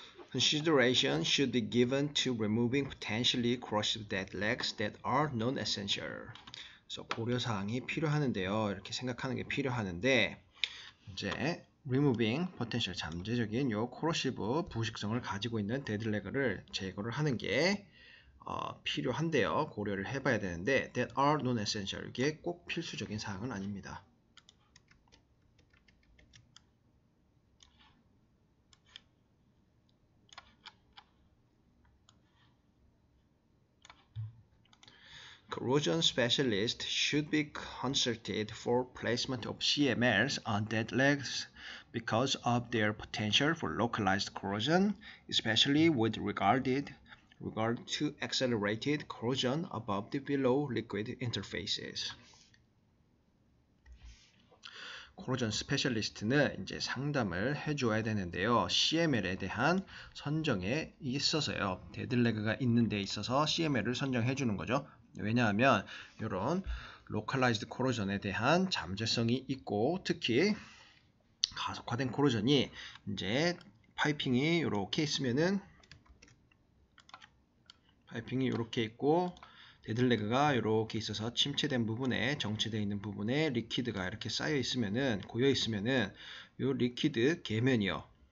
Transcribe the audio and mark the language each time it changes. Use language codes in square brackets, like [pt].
[en] 'Consideration should be given to removing potentially corrosive dead legs that are non-essential.' [ko] 그래서 고려사항이 필요하는데요. 이렇게 생각하는 게 필요하는데, 이제 [en] Removing potential [ko] 잠재적인 요 코로시브 부식성을 가지고 있는 데드레그를 제거를 하는 게 필요한데요. 고려를 해봐야 되는데 [en] that are non-essential [ko] 이게 꼭 필수적인 사항은 아닙니다. [en] 'Corrosion specialist should be consulted for placement of CMLs on dead legs because of their potential for localized corrosion, especially with regard to accelerated corrosion above the below liquid interfaces.' [ko] 코로전 스페셜리스트는 이제 상담을 해줘야 되는데요. CML에 대한 선정에 있어서요. 데드레그가 있는 데 있어서 CML을 선정해 주는 거죠. 왜냐하면 이런 로컬라이즈드 코로전에 대한 잠재성이 있고 특히 가속화된 코로전이 이제 파이핑이 이렇게 있으면은 파이핑이 이렇게 있고 데드레그가 이렇게 있어서 침체된 부분에 정체되어 있는 부분에 리퀴드가 이렇게 쌓여 있으면은 고여 있으면은 요 리퀴드 계면이요.